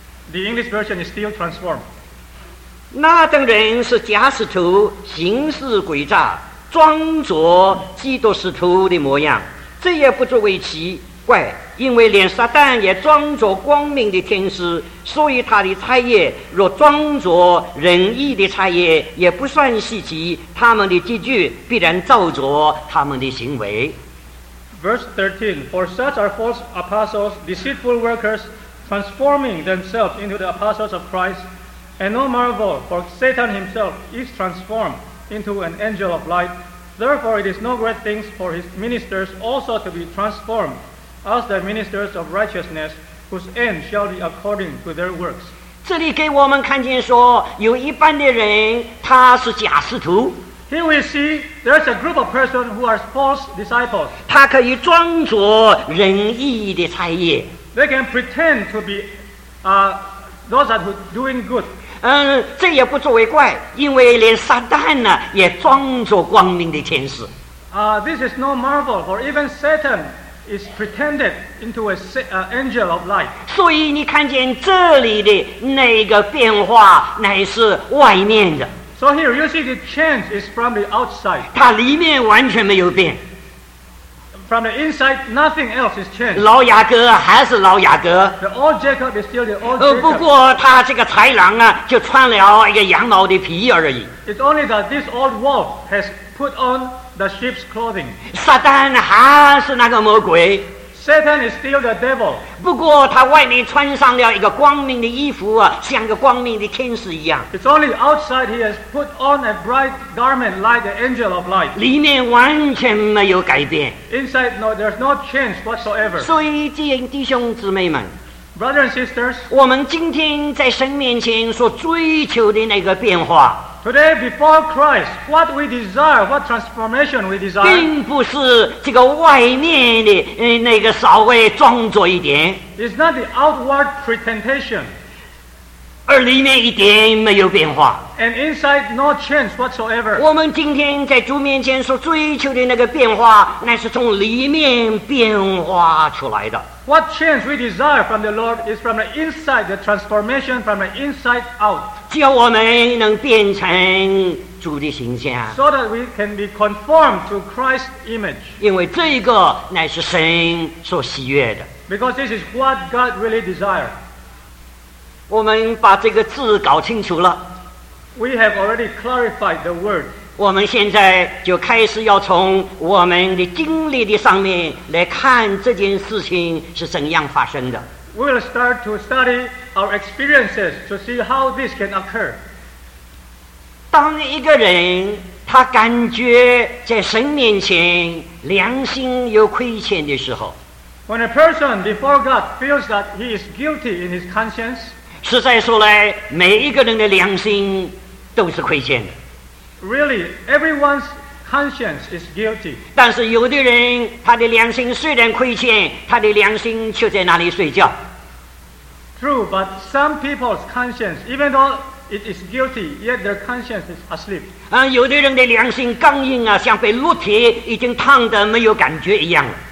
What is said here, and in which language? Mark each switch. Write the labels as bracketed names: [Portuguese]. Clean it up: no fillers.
[English] The English version is still transformed. [Chinese] 那等人是假使徒，行事诡诈，装作基督使徒的模样，这也不足为奇怪，因为连撒旦也装作光明的天使，所以他的差业若装作仁义的差业也不算稀奇，他们的积聚必然造作他们的行为。 [English] Verse 13, for such are false apostles, deceitful workers, transforming themselves into the apostles of Christ, and no marvel, for Satan himself is transformed into an angel of light. Therefore it is no great thing for his ministers also to be transformed as the ministers of righteousness, whose end shall be according to their works. [Chinese] 这里给我们看见说，有一般的人他是假使徒。 [English] Here we see there's a group of persons who are false disciples. [Chinese] 他可以装作仁义的差役。 [English] They can pretend to be those that are doing good. [Chinese] 这也不作为怪，因为连撒旦呢也装作光明的天使。 [English] This is no marvel, for even Satan is pretended into an angel of light. [Chinese] 所以你看见这里的那个变化乃是外面的。 [English] So here you see the change is from the outside. [Chinese] 它里面完全没有变。 [English] From the inside nothing else is changed. [Chinese] 老雅各还是老雅各。 [English] The old Jacob is still the old Jacob. [Chinese] 不过他这个豺狼啊就穿了一个羊毛的皮而已。 [English] It's only that this old wolf has put on the sheep's clothing. [Chinese] 撒旦还是那个魔鬼。 [English] Satan is still the devil. [Chinese] 不过他外面穿上了一个光明的衣服啊，像个光明的天使一样。 [English] It's only outside he has put on a bright garment like the angel of light. [Chinese] 里面完全没有改变。 [English] Inside no, there's no change whatsoever. [Chinese] 所以弟兄姊妹们， [English] Brothers and sisters, [Chinese] 我们今天在神面前所追求的那个变化， [English] Today, before Christ, what we desire, what transformation we desire, [Chinese] 并不是这个外面的那个稍微装作一点， [English] it's not the outward pretension, [Chinese] 而里面一点没有变化， [English] and inside no change whatsoever. [Chinese] 我们今天在主面前所追求的那个变化，那是从里面变化出来的。 [English] What change we desire from the Lord is from the inside, the transformation from the inside out. [Chinese] 叫我们能变成主的形象， [English] so that we can be conformed to Christ's image. [Chinese] 因为这个乃是神所喜悦的。 [English] Because this is what God really desires. [Chinese] 我们把这个字搞清楚了， [English] we have already clarified the word. [Chinese] 我们现在就开始要从我们的经历的上面来看这件事情是怎样发生的。 [English] We will start to study our experiences to see how this can occur. [Chinese] 当一个人他感觉在神面前良心有亏欠的时候， [English] When a person before God feels that he is guilty in his conscience, [Chinese] 实在说来，每一个人的良心都是亏欠的。 [English] Really, everyone's conscience is guilty. [Chinese] 但是有的人他的良心虽然亏欠，他的良心却在那里睡觉。 [English] True, but some people's conscience, even though it is guilty, yet their conscience is asleep. [Chinese] 有的人的良心刚硬啊，像被炉铁已经烫得没有感觉一样。